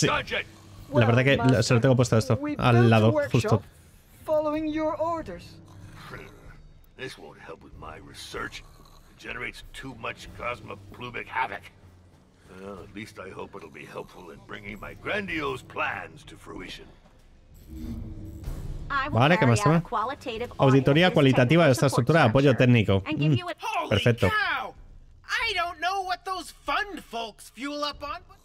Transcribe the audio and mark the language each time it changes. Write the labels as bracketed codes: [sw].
[es] La verdad es que se lo tengo puesto esto. Al lado, justo. [en] Following your orders. This won't help with my research. It generates too much cosmoplumic havoc. Well, at least I hope it'll be helpful in bringing my grandiose plans to fruition. [es] Vale, ¿qué más tema? Auditoría cualitativa de esta estructura de apoyo técnico. Perfecto. [en] I don't know what those fund folks fuel up on.